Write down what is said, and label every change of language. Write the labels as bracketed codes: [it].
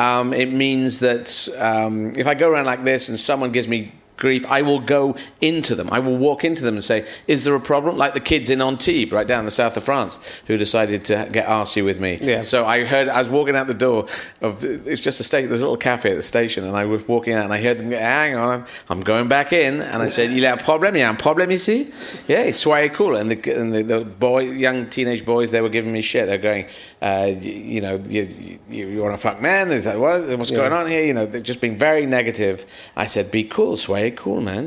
[en] Means that if I go around like this and someone gives me grief, I will go into them. I will walk into them and say, is there a problem? Like the kids in Antibes, right down in the south of France, who decided to get arsey with me. Yeah. So I was walking out the door of, it's just a station, there's a little cafe at the station, and I was walking out and I heard them go, hang on, I'm going back in. [fr] And I said, il y a un problème, il y a un problème ici? [en] Yeah, it's way cool. And the boy, young teenage boys, they were giving me shit. They're going, you know, you want to fuck men? They said, what's going on here? You know, they're just being very negative. I said, be cool, [fr] soyez cool, [en] man.